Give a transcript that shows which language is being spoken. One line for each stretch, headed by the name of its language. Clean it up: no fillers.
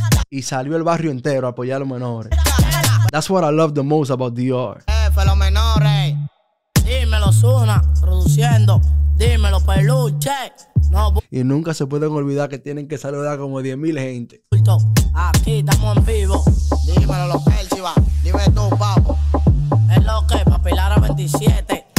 Spanish: Y salió el barrio entero a apoyar a los menores.
English: That's what I love the most about DR.
Spanish: F, los menores. Dímelo, Zuna, produciendo. Dímelo, Peluche. No, y nunca se pueden olvidar que tienen que saludar como 10,000 gente. Aquí estamos en vivo. Dímelo, los Pelchiva. Dime tú, papo. Es lo que, pa' Pilar a 27.